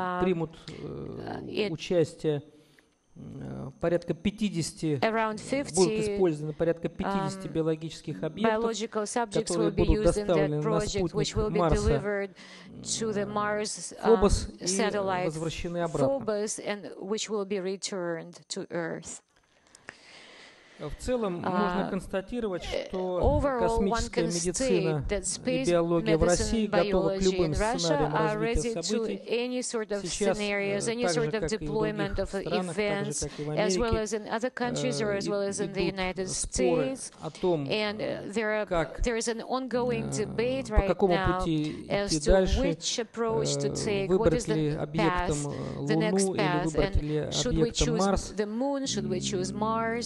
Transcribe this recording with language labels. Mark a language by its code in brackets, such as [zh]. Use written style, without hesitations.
[ru] примут участие порядка 50 [en] around 50 [ru] будут использованы порядка 50 биологических объектов, которые будут доставлены на спутник Марса Фобос и возвращены обратно. [en] Phobos, and which will be returned to Earth. [ru] В целом можно констатировать, что космическая медицина и биология в России готова к любым сценариям развития событий.